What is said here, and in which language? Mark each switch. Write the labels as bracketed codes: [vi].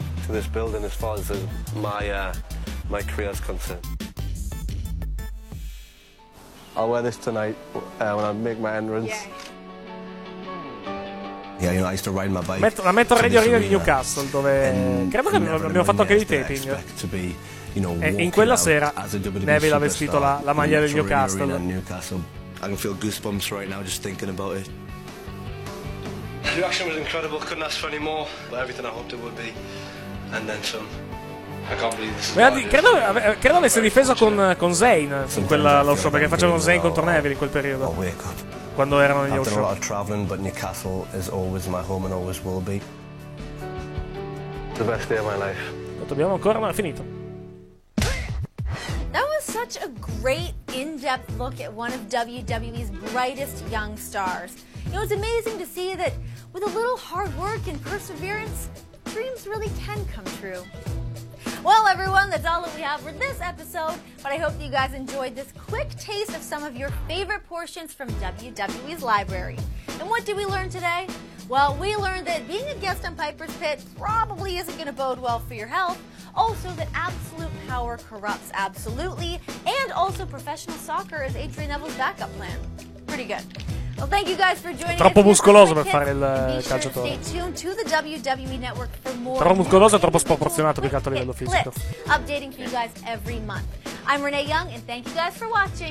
[en] This building as far as my career is concerned. I'll wear this tonight when I make my entrance. Yeah, you know, I used to ride my bike. [it] La metto a Radio Arena di Newcastle, dove credo che abbiamo fatto anche dei taping. E in quella sera Neville ha vestito la maglia del Newcastle. [en] I can feel goosebumps right now just thinking about it. The reaction was incredible, couldn't ask for any more. But everything I hoped it would be. And then some. I can't believe this. [it] Credo avesse difeso con Zayn in quella lo show, perché facevano Zayn contro Neville in quel periodo. Quando erano negli show. [en] A lot of traveling, but Newcastle is always my home and always will be. The best day of my life. [it] Lo dobbiamo ancora, ma è finito. [en] That was such a great in-depth look at one of WWE's brightest young stars. It was amazing to see that with a little hard work and perseverance, dreams really can come true. Well, everyone, that's all that we have for this episode, but I hope you guys enjoyed this quick taste of some of your favorite portions from WWE's library. And what did we learn today? Well, we learned that being a guest on Piper's Pit probably isn't going to bode well for your health. Also, that absolute power corrupts absolutely, and also professional soccer is Adrian Neville's backup plan. Pretty good. Well, thank you guys for joining. [it] Troppo muscoloso per fare il calciatore. [en] Stay tuned to the WWE Network for more. [it] Troppo muscoloso e troppo sproporzionato più che altro a livello fisico. [en] Updating for you guys every month. I'm Renee Young and thank you guys for watching.